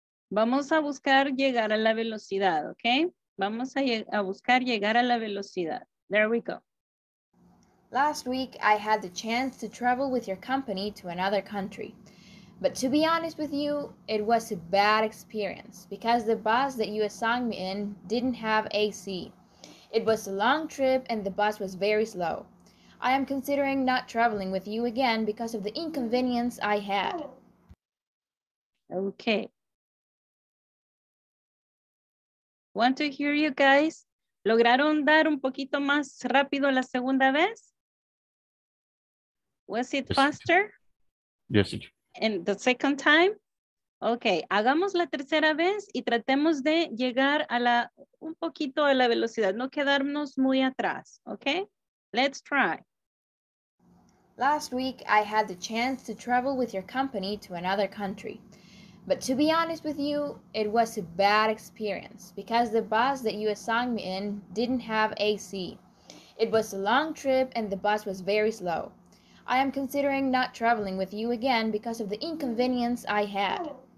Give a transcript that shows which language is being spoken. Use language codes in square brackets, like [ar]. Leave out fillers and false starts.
[es] Vamos a buscar llegar a la velocidad, okay? Vamos a buscar llegar a la velocidad. [en] There we go. Last week, I had the chance to travel with your company to another country. But to be honest with you, it was a bad experience because the bus that you assigned me in didn't have AC. It was a long trip and the bus was very slow. I am considering not traveling with you again because of the inconvenience I had. Okay. Want to hear you guys. [es] ¿Lograron dar un poquito más rápido la segunda vez? [en] Was it faster? Yes. And the second time? [es] Okay, hagamos la tercera vez y tratemos de llegar a la un poquito a la velocidad, no quedarnos muy atrás, okay? [en] Let's try. Last week, I had the chance to travel with your company to another country. But to be honest with you, it was a bad experience because the bus that you assigned me in didn't have AC. It was a long trip and the bus was very slow. I am considering not traveling with you again because of the inconvenience I had.